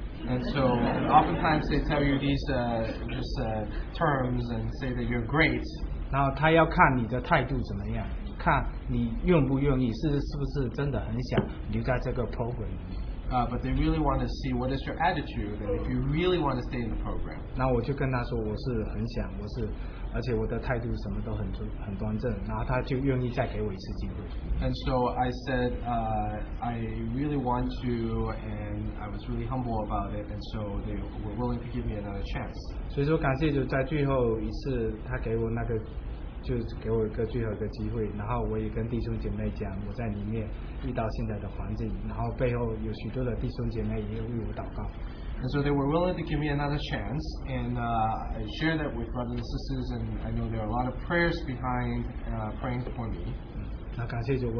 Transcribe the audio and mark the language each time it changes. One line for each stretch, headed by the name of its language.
English: And so oftentimes they tell you these terms and say that you're great.
Chinese: 然后他要看你的态度怎么样，看你愿不愿意，是不是真的很想留在这个 program。
English: But they really want to see what is your attitude and if you really want to stay in the program.
Chinese: 那我就跟他说我是很想，我是，而且我的态度什么都很端正，然后他就愿意再给我一次机会。
English: And so I said, I really want to and I was really humble about it and so they were willing to give me another chance.
Chinese: 所以说感谢就在最后一次他给我那个 就给我一个最后一个机会，然后我也跟弟兄姐妹讲我在里面遇到现在的环境，然后背后有许多的弟兄姐妹也为我祷告。
English: And so they were willing to give me another chance, and I share that with brothers and sisters, and I know there are a lot of prayers behind praying for me.